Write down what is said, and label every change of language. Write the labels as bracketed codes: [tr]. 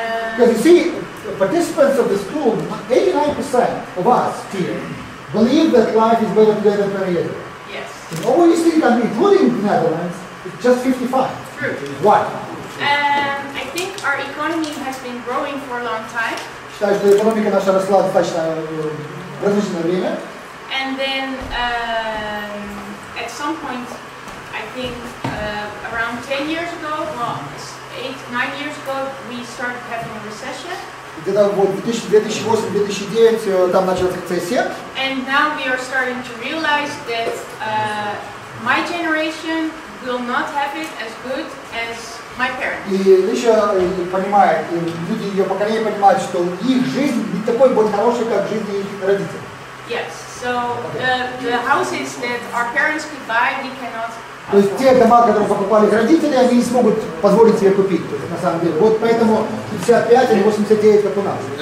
[en] Because you see, the participants of this tool, 89% of us here, believe that life is better today than 20 years ago. Yes. In OECD, including the Netherlands, just 55. True. group. Why? I think our economy has been growing for a long time. [ru] Считаю, что экономика наша росла достаточно различное время. [en] And then at some point, I think around 10 years ago, well, 8-9 years ago, we started having a recession. [ru] Где-то вот 2008-2009 там началась рецессия. [en] And now we are starting to realize that my generation will not have it as good as my parents. [ru] И еще понимая, и люди ее поколения понимают, что их жизнь не такой будет хорошей, как жизнь их родителей. [en] Yes. So the houses that our parents could buy, we cannot. [ru] То есть те дома, которые покупали их родители, они не смогут позволить себе купить, то есть, на самом деле. Вот поэтому 55 или 89, как у нас.